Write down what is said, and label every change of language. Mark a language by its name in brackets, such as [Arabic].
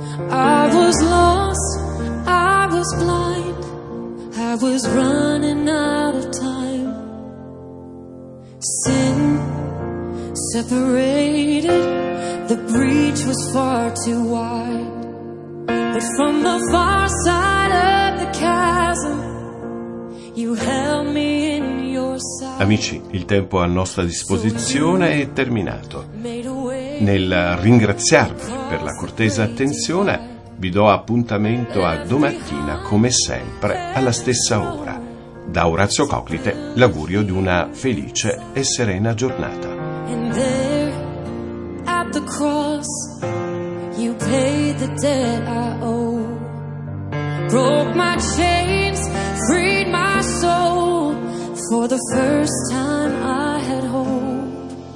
[English] I was lost, I was blind, I was running out of time. Sin separated, the breach was far too wide. But from the far side of the chasm, you held me in your sight. [Italian] Amici, il tempo a nostra disposizione è terminato. Nel ringraziarvi per la cortese attenzione, vi do appuntamento a domattina, come sempre, alla stessa ora. Da Orazio Coclite, l'augurio di una felice e serena giornata. [English] And there, at the cross, you paid the debt I owe. Broke my chains, freed my soul. For the first time I had hope.